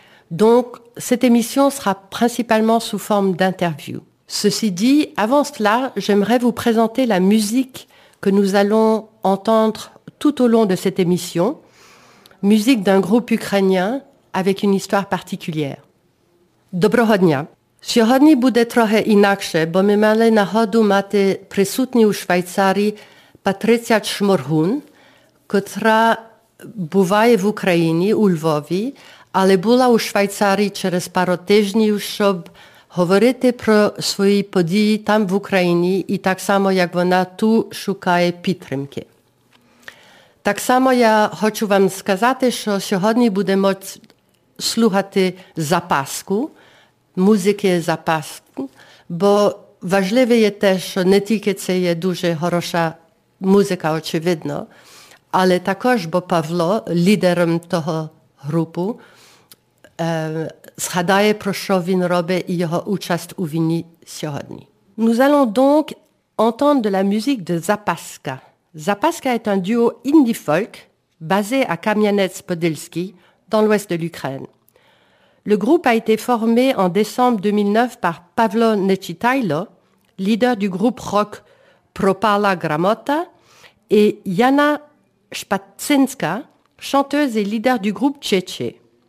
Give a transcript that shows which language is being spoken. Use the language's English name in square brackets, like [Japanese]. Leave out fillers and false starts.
[French] Donc, cette émission sera principalement sous forme d'interview. Ceci dit, avant cela, j'aimerais vous présenter la musique que nous allons entendre tout au long de cette émission. Musique d'un groupe ukrainien avec une histoire particulière. [Ukrainian] Доброго дня! Сьогодні буде трохи інакше, бо ми мали нагоду мати присутні у Швейцарії Patricia Shmorun, котра буває в Україні, у Львові, але була у Швейцарії через пару тижнів, щоб говорити про свої події там в Україні і так само, як вона ту шукає підтримки. Так само я хочу вам сказати, що сьогодні будемо слухати запаску, музики запаску, бо важливе є те, що не тільки це є дуже хороша музика, очевидно, але також, бо Павло, лідером того групу, згадає, про що він робить і його участь у війні сьогодні. [French] Nous allons donc entendre de la musique de Zapaska. Zapaska est un duo indie folk basé à Kamianets-Podilsky, dans l'ouest de l'Ukraine. Le groupe a été formé en décembre 2009 par Pavlo Nechitailo, leader du groupe rock Propala Gramota, et Yana Spatsinska, chanteuse et leader du groupe Tchétché.